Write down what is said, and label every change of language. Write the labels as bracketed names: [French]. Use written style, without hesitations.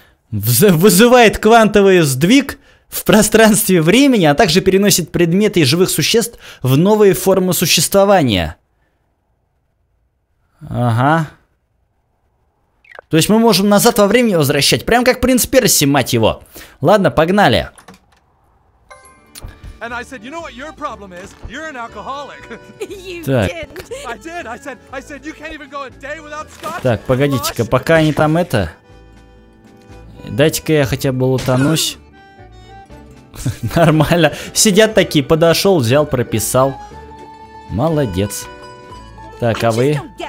[Russian] Вызывает квантовый сдвиг в пространстве времени, а также переносит предметы из живых существ в новые формы существования. Ага. То есть мы можем назад во времени возвращать, прям как принц Перси, мать его. Ладно, погнали. [English] And I said, you know what your problem is? You're an alcoholic. You didn't. I did. I said, you can't even go a day without scotch. [Russian] Так, погодите-ка, пока они там это... Дайте-ка я хотя бы лутанусь. Нормально. Сидят такие, подошел, взял, прописал. Молодец. Так, а вы?